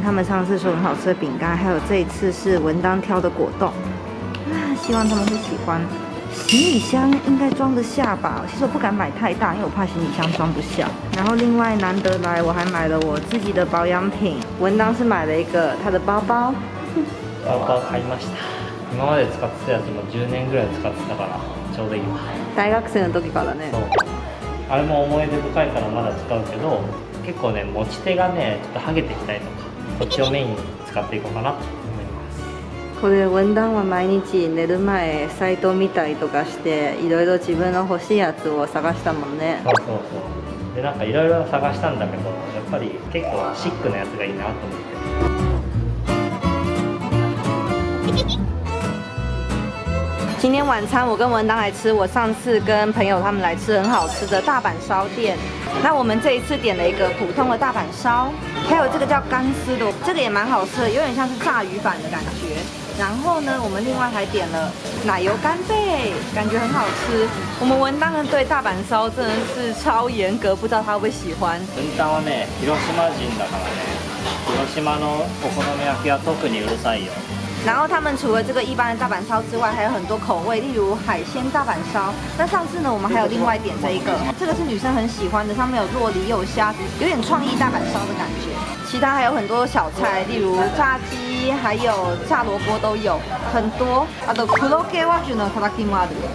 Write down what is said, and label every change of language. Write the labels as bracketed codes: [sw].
[zh] 他们上次说很好吃的饼干，还有这一次是文当挑的果冻。希望他们会喜欢。行李箱应该装得下吧，其实我不敢买太大，因为我怕行李箱装不下。然后另外难得来，我还买了我自己的保养品。文当是买了一个他的包包。 [ja] 包包買いました。今まで使ってたやつも10年ぐらい使ってたから、ちょうどいい。大学生の時からね。そう。あれも思い出深いからまだ使うけど、結構ね持ち手がねちょっと剥げてきたりとか、こっちをメインに使っていこうかな。これ文旦は毎日寝る前サイト見たりとかしていろいろ自分の欲しいやつを探したもんね。そうそうそう。でなんかいろいろ探したんだけど、やっぱり結構シックなやつがいいなと思って。 [zh] 今天晚餐我跟文当来吃我上次跟朋友他们来吃很好吃的大阪烧店。那我们这一次点了一个普通的大阪烧，还有这个叫干丝的，这个也蛮好吃的，有点像是炸鱼板的感觉。然后呢，我们另外还点了奶油干贝，感觉很好吃。我们文当对大阪烧真的是超严格，不知道他会不会喜欢。 [ja] 文当はね、広島人だからね、広島のお好み焼きは特にうるさいよ。 [zh] 然后他们除了这个一般的大阪烧之外，还有很多口味，例如海鲜大阪烧。那上次呢，我们还有另外点这一个，这个是女生很喜欢的，上面有洛梨，有虾，有点创意大阪烧的感觉。其他还有很多小菜，例如炸鸡，还有炸萝卜都有很多。 [ja] あと黒毛和牛のたたきもある。